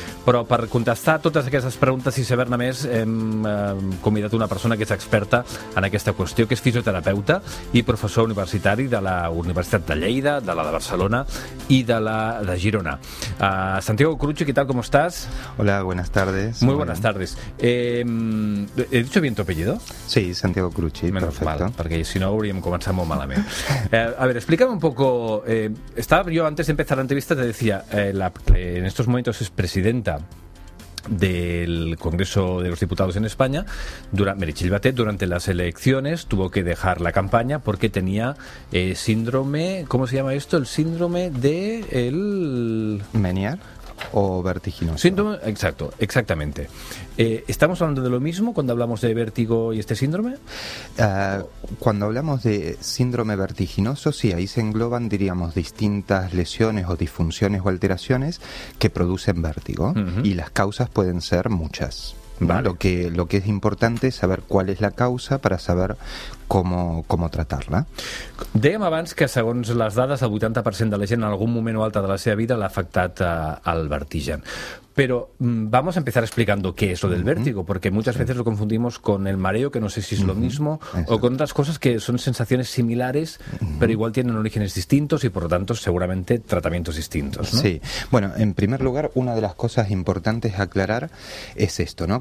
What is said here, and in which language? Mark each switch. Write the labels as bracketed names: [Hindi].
[Catalan] Però per contestar totes aquestes preguntes i saber-ne més, hem convidat una persona que és experta en aquesta qüestió, que és fisioterapeuta i professor universitari de la Universitat de Lleida, de la de Barcelona i de la de Girona. [Spanish] Santiago Cruci, ¿qué tal? ¿Cómo estás? Hola, buenas tardes. Muy buenas tardes. ¿He dicho bien tu apellido? Sí, Santiago Cruci, perfecto. [Catalan] Mal, perquè si no hauríem començat molt malament. [Spanish] A ver, explícame un poco. Estaba yo antes de empezar la entrevista, te decía, en estos momentos es presidenta del Congreso de los Diputados en España. Meritxell Batet, durante las elecciones, tuvo que dejar la campaña porque tenía síndrome, ¿cómo se llama esto? El síndrome de el Meniere o vertiginoso. Síndrome, exacto, exactamente. ¿Estamos hablando de lo mismo cuando hablamos de vértigo y este síndrome? Cuando hablamos de síndrome vertiginoso, sí, ahí se engloban, diríamos, distintas lesiones o disfunciones o alteraciones que producen vértigo. Uh-huh. Y las causas pueden ser muchas. Vale. Lo que es importante es saber cuál es la causa para saber cómo tratarla. [Catalan] Dèiem abans que, segons les dades, el 80% de la gent en algun moment o altre de la seva vida l'ha afectat al vertigen. [Spanish] Pero vamos a empezar explicando qué es lo del vértigo, porque muchas veces lo confundimos con el mareo, que no sé si es lo mismo, o con otras cosas que son sensaciones similares, pero igual tienen orígenes distintos y, por lo tanto, seguramente tratamientos distintos, ¿no? Sí. Bueno, en primer lugar, una de las cosas importantes a aclarar es esto, ¿no?